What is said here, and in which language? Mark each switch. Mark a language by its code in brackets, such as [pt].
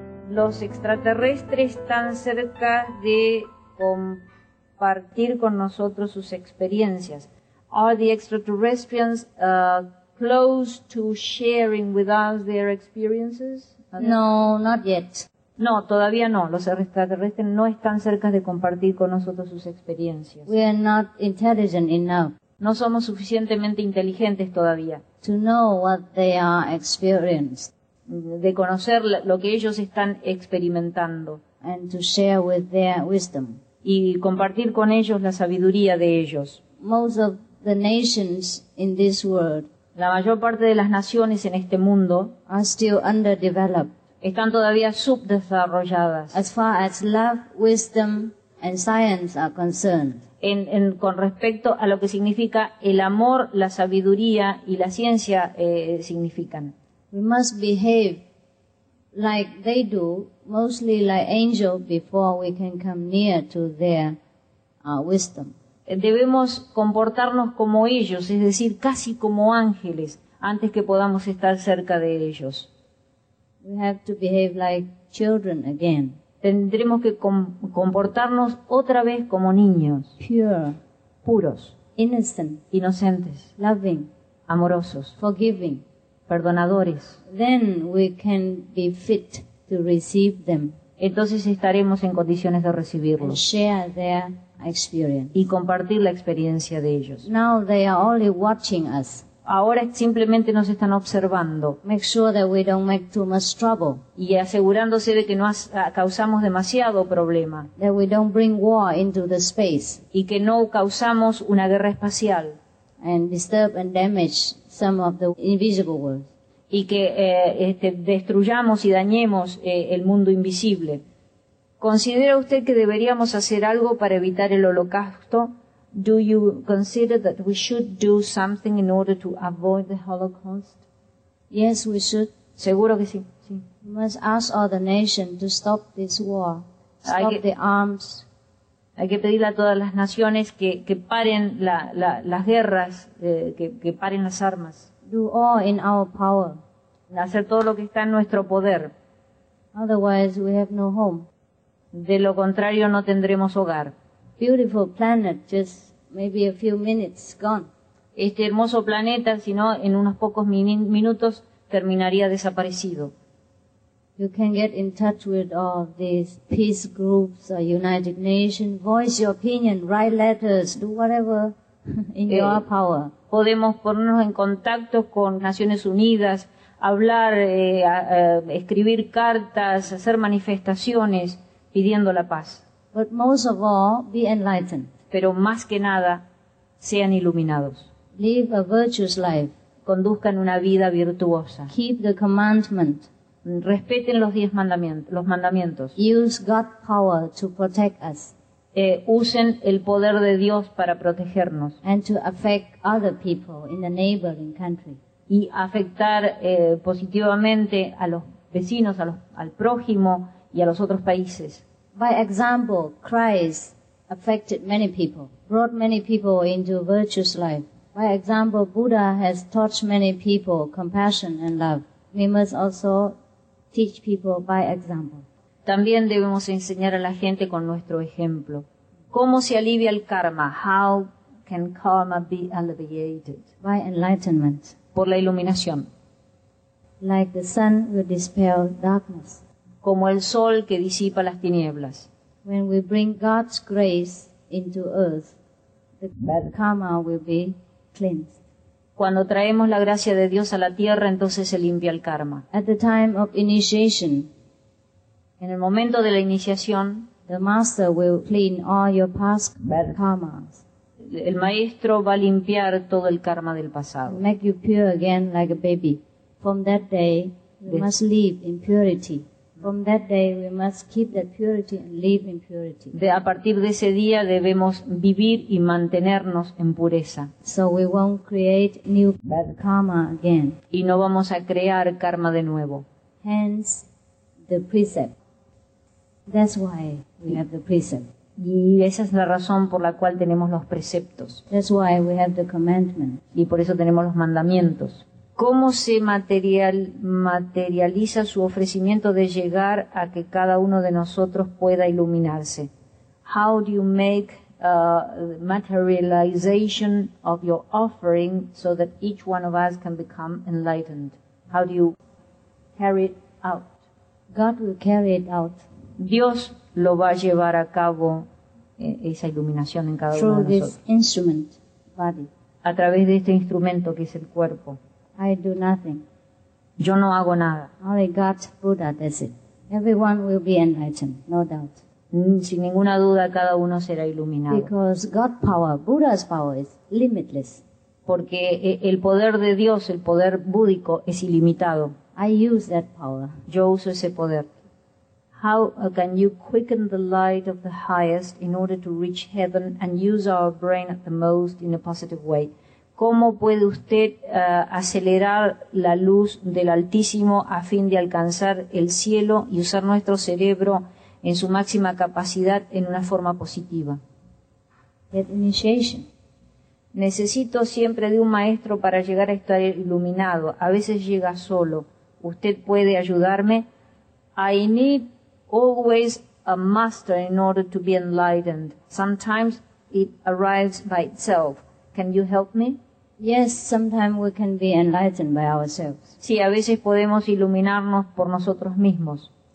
[es] Los extraterrestres están cerca de compartir con nosotros sus experiencias. [en] Are the extraterrestrials close to sharing with us their experiences? No, not yet. [es] No, todavía no. Los extraterrestres no están cerca de compartir con nosotros sus experiencias. [en] We are not intelligent enough. [es] No somos suficientemente inteligentes todavía. [en] to know what they are experiencing. [es] De conocer lo que ellos están experimentando. [en] And to share with their wisdom. [es] Y compartir con ellos la sabiduría de ellos. [en] Most of the nations in this world, [es] la mayor parte de las naciones en este mundo, [en] are still underdeveloped. [es] Están todavía subdesarrolladas. [en] As far as love, wisdom, and science are concerned. [es] En con respecto a lo que significa el amor, la sabiduría y la ciencia significan. [en] We must behave like they do, mostly like angels, before we can come near to their wisdom. [es] Debemos comportarnos como ellos, es decir, casi como ángeles, antes que podamos estar cerca de ellos. [en] We have to behave like children again. [es] Tendremos que comportarnos otra vez como niños. [en] Pure. [es] Puros. [en] Innocent. [es] Inocentes. [en] Loving. [es] Amorosos. [en] Forgiving. [es] Perdonadores. [en] Then we can be fit to receive them. [es] Entonces estaremos en condiciones de recibirlos. [en] And share their experience. [es] Y compartir la experiencia de ellos. [en] Now they are only watching us. [es] Ahora simplemente nos están observando. [en] Make sure that we don't make too much trouble. [es] Y asegurándose de que no causamos demasiado problema. [en] That we don't bring war into the space. [es] Y que no causamos una guerra espacial. [en] And disturb and damage some of the invisible world. [es] Y que destruyamos y dañemos el mundo invisible. ¿Considera usted que deberíamos hacer algo para evitar el holocausto? [en] Do you consider that we should do something in order to avoid the Holocaust? Yes, we should. [es] Seguro que sí. Sí. [en] We must ask all the nations to stop this war. Stop the arms. [es] Hay que pedirle a todas las naciones que paren las guerras, que paren las armas. [en] Do all in our power. [es] Hacer todo lo que está en nuestro poder. [en] Otherwise, we have no home. [es] De lo contrario, no tendremos hogar. [en] Beautiful planet, just maybe a few minutes gone. [es] Este hermoso planeta, si no, en unos pocos minutos terminaría desaparecido. [en] You can get in touch with all these peace groups or United Nations. Voice your opinion, write letters, do whatever in your power. [es] Podemos ponernos en contacto con Naciones Unidas, hablar, escribir cartas, hacer manifestaciones pidiendo la paz. [en] But most of all, be enlightened. [es] Pero más que nada, sean iluminados. [en] Live a virtuous life. [es] Conduzcan una vida virtuosa. [en] Keep the commandment. [es] Respeten los 10 mandamientos. Los mandamientos. [en] Use God's power to protect us. [es] Usen el poder de Dios para protegernos. [en] And to affect other people in the neighboring country. [es] Y afectar positivamente a los vecinos, al prójimo y a los otros países. [en] By example, Christ affected many people, brought many people into a virtuous life. By example, Buddha has taught many people compassion and love. We must also teach people by example. [es] También debemos enseñar a la gente con nuestro ejemplo. ¿Cómo se alivia el karma? [en] How can karma be alleviated? By enlightenment. [es] Por la iluminación. [en] Like the sun will dispel darkness. [es] Como el sol que disipa las tinieblas. [en] When we bring God's grace into earth, the karma will be cleansed. [es] Cuando traemos la gracia de Dios a la tierra, entonces se limpia el karma. [en] At the time of initiation, [es] en el momento de la iniciación, [en] the master will clean all your past karmas. [es] El maestro va a limpiar todo el karma del pasado. [en] Make you pure again like a baby. From that day, you must live in purity. From that day, we must keep that purity and live in purity. [es] A partir de ese día debemos vivir y mantenernos en pureza. [en] So we won't create new karma again. [es] Y no vamos a crear karma de nuevo. [en] Hence, the precept. That's why we have the precept. [es] Y esa es la razón por la cual tenemos los preceptos. [en] That's why we have the commandment. [es] Y por eso tenemos los mandamientos. ¿Cómo se materializa su ofrecimiento de llegar a que cada uno de nosotros pueda iluminarse? [en] How do you make the materialization of your offering so that each one of us can become enlightened? How do you carry it out? God will carry it out. [es] Dios lo va a llevar a cabo esa iluminación en cada [en] through [es] uno de nosotros. [en] This instrument, body. [es] A través de este instrumento que es el cuerpo. [en] I do nothing. [es] Yo no hago nada. [en] Only God's Buddha does it. Everyone will be enlightened, no doubt. [es] Sin ninguna duda, cada uno será iluminado. [en] Because God's power, Buddha's power is limitless. [es] Porque el poder de Dios, el poder búdico, es ilimitado. [en] I use that power. [es] Yo uso ese poder. [en] How can you quicken the light of the highest in order to reach heaven and use our brain at the most in a positive way? [es] ¿Cómo puede usted acelerar la luz del Altísimo a fin de alcanzar el cielo y usar nuestro cerebro en su máxima capacidad en una forma positiva? [en] Get initiation. [es] Necesito siempre de un maestro para llegar a estar iluminado. A veces llega solo. ¿Usted puede ayudarme? [en] I need always a master in order to be enlightened. Sometimes it arrives by itself. Can you help me? Yes, sometimes we can be enlightened by ourselves. [es] Sí, a veces podemos iluminarnos por nosotros mismos.